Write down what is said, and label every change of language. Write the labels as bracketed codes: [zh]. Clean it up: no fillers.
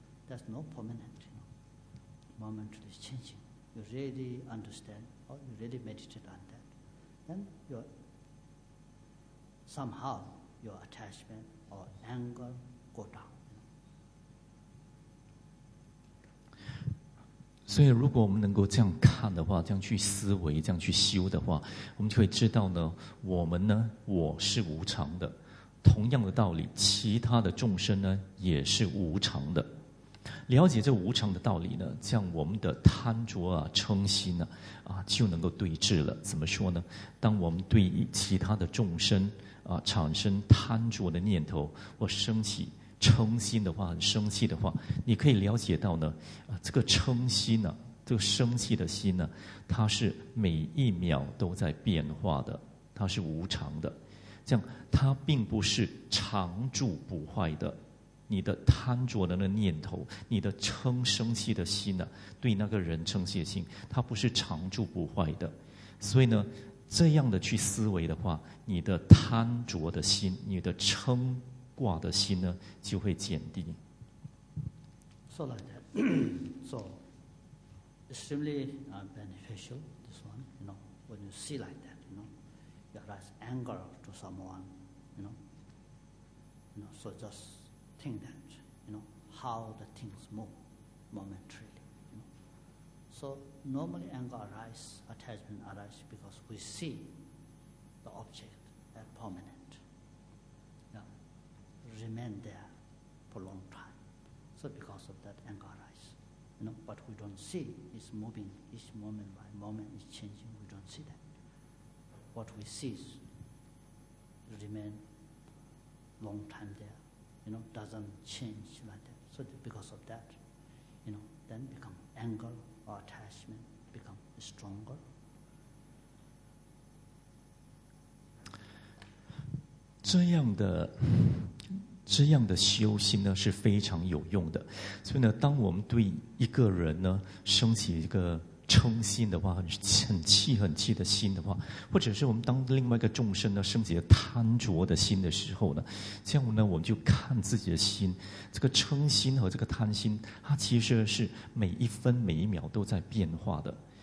[en] That's not permanent, you know. Momentarily is changing. You really understand, or you really meditate on that. Then your, somehow your attachment or anger go down. [zh] 所以如果我们能够这样看的话，这样去思维，这样去修的话，我们就会知道呢，我们呢，我是无常的。同样的道理，其他的众生呢，也是无常的。了解这无常的道理呢，这样我们的贪着啊、嗔心呢、就能够对治了。怎么说呢？当我们对其他的众生啊，产生贪着的念头或生气嗔心的话，很生气的话，你可以了解到呢，啊，这个嗔心呢，啊，这个生气的心呢，它是每一秒都在变化的，它是无常的，这样它并不是常住不坏的。你的贪着的那念头，你的嗔生气的心呢，啊，对那个人嗔气的心，它不是常住不坏的。所以呢，这样的去思维的话，你的贪着的心，你的嗔挂的心呢，就会减低。 [en] So like that, so extremely beneficial. This one, you know, when you see like that, you know, you have anger to someone, you know, so just think that, you know, how the things move momentarily, you know. So normally anger arises, attachment arises because we see the object as permanent, you know, remain there for a long time. So because of that anger arises, you know, but we don't see it's moving, each moment by moment is changing, we don't see that. What we see is remain long time there, you know, doesn't change like that. So because of that, you know, then become anger or attachment become stronger. [zh] 这样的修心呢是非常有用的。所以呢，当我们对一个人呢升起一个嗔心的话，很气很气的心的话，或者是我们当另外一个众生呢升起贪着的心的时候呢，这样呢我们就看自己的心，这个嗔心和这个贪心，它其实是每一分每一秒都在变化的。